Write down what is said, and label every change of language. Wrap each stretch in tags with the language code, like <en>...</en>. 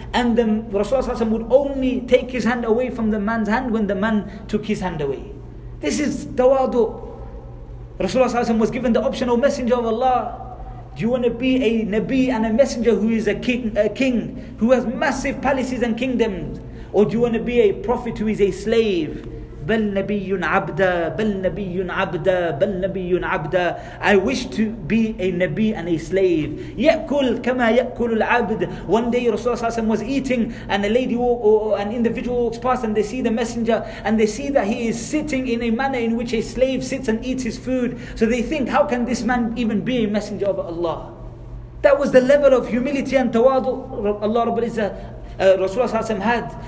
<en>And then Rasulullah would only take his hand away from the man's hand when the man took his hand away. This is tawadu. Rasulullah was given the option, O Messenger of Allah, do you want to be a Nabi and a messenger who is a king, who has massive palaces and kingdoms? Or do you want to be a prophet who is a slave?</en> <ar>بل نبي عبدا بل نبي عبدا بل نبي عبدا.</ar> <en>I wish to be a Nabi and a slave.</en> <ar>يأكل كما يأكل العبد.</ar> <en>One day Rasulullah</en> <ar>صلى الله عليه وسلم</ar> <en>was eating and a lady or an individual walks past and they see the messenger and they see that he is sitting in a manner in which a slave sits and eats his food. So they think, how can this man even be a messenger of Allah? That was the level of humility and tawadu Allah Rabbul Izzah Rasulullah had.</en>